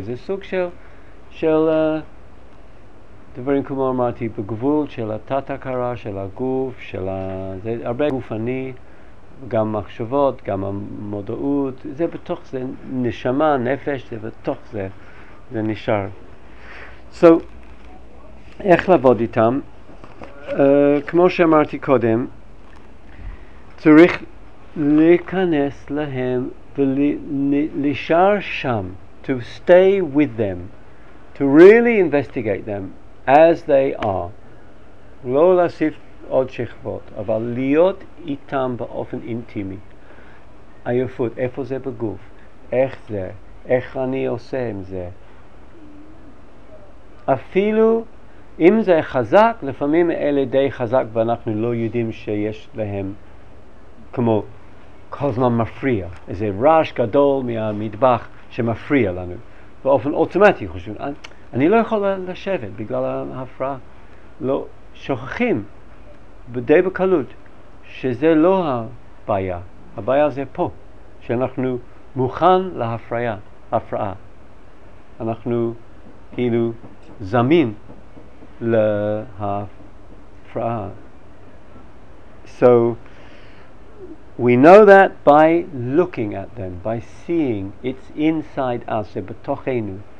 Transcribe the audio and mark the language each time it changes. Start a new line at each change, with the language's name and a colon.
Hebrew: זה סוג של דברים כמו אמרתי, בגבול של התת הכרה, של הגוף, של ה... זה הרבה גופני, גם מחשבות, גם המודעות, זה בתוך זה, נשמה, נפש, זה בתוך זה, זה נשאר. So, איך לעבוד איתם? כמו שאמרתי קודם, צריך להיכנס להם ולשאר שם,
English: to stay with them, to really investigate them, as they are.
Hebrew: לא להסיף עוד שכבות, אבל להיות איתם באופן אינטימי. עייפות, איפה זה בגוף? איך זה? איך אני עושה עם זה? אפילו אם זה חזק, לפעמים אלה די חזק ואנחנו לא יודעים שיש להם כמו כל זמן מפריע. איזה רעש גדול מהמטבח שמפריע לנו. באופן אוטומטי חושבים, אני לא יכול לשבת בגלל ההפרעה. לא שוכחים בדי בקלות שזה לא הבעיה. הבעיה זה פה, שאנחנו מוכן להפרעה. אנחנו כאילו זמין להפרעה.
English: So, we know that by looking at them, by seeing it's inside us,
Hebrew: זה בתוכנו.